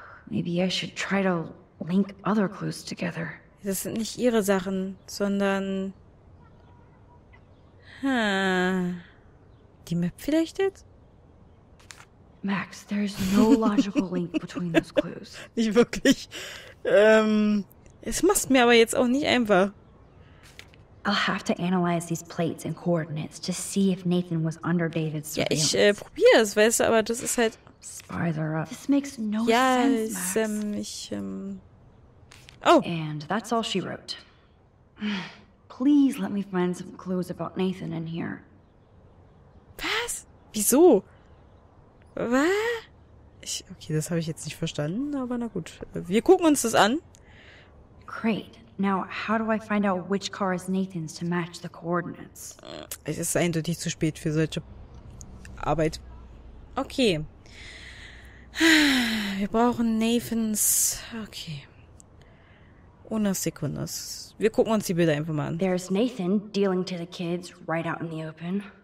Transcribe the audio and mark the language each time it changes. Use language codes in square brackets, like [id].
[en] Maybe I should try to link other clues together. [de] Das sind nicht ihre Sachen, sondern. Die Map vielleicht jetzt? [en] Max, there is no logical link between those clues. [de] Nicht wirklich. Es macht mir aber jetzt auch nicht einfach. [en] I'll have to analyze these plates and coordinates to see if Nathan was under David's surveillance. [de] Ja, ich probiere es, weißt du, aber das ist halt. [en] Spies are up. This makes no [de] ja, [en] sense, Max. Oh. And that's all she wrote. Please let me find some clues about Nathan in here. [de] Was? Wieso? Okay, das habe ich jetzt nicht verstanden, aber na gut. Wir gucken uns das an. [en] Great. Now, how do I find out which car is Nathan's to match the coordinates? [de] Es ist eindeutig zu spät für solche Arbeit. Okay. Wir brauchen Nathan's. Okay. Una Sekundas. Wir gucken uns die Bilder einfach mal an. [en] There's Nathan dealing to the kids right out in the open.